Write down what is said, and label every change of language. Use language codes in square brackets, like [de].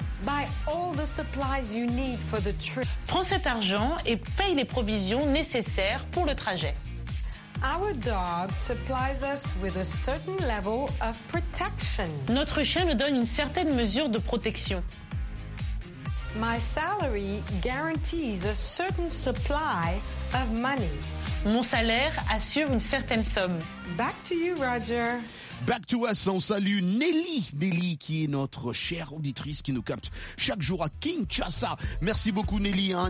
[en] Buy all the supplies you need for the trip. [fr] Prends cet argent et paye les provisions nécessaires pour le trajet. [en] Our dog supplies us with a certain level of protection. [fr] Notre chien me donne une certaine mesure de protection. [en] My salary guarantees a certain supply of money. [fr] Mon salaire assure une certaine somme. [en] Back to you, Roger. Back to us, [fr] on salue Nelly, qui est notre chère auditrice qui nous capte chaque jour à Kinshasa. Merci beaucoup Nelly. Hein.